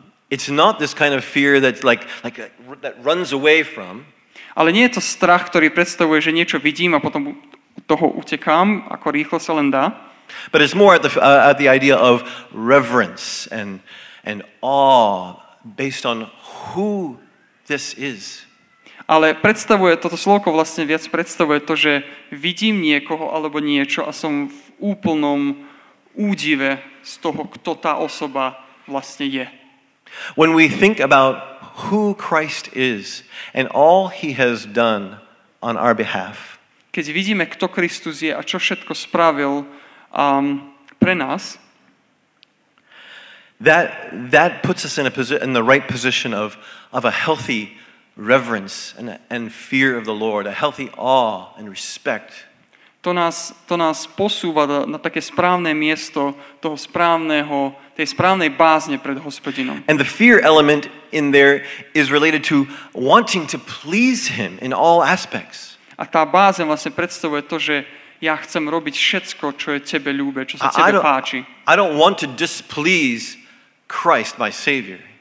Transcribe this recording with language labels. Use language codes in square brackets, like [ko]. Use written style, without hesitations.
[en] It's not this kind of fear that like that runs away from. [sk] Ale nie je to strach, ktorý predstavuje, že niečo vidím a potom toho utekám, ako rýchlo sa len dá. [en] But it's more at the idea of reverence and awe based on who this is. [sk] Ale predstavuje toto slovko vlastne viac predstavuje to, že vidím niekoho alebo niečo a som v úplnom údive z toho, kto tá osoba vlastne je. [en] When we think about who Christ is and all he has done on our behalf. [sk] Keď vidíme, kto Kristus je a čo všetko spravil pre nás. [en] That puts us in the right position of a healthy reverence and fear of the Lord, a healthy awe and respect. [sk] To nás posúva na také správne miesto toho správneho, tej správnej bázne pred Hospodinom. [en] And the fear element in there is related to wanting to please him in all aspects. [sk] A tá bázeň vlastne predstavuje to, že ja chcem robiť všetko, čo je tebe ľúbe, čo sa tebe páči. [en] I don't want to displease Christ, my Savior.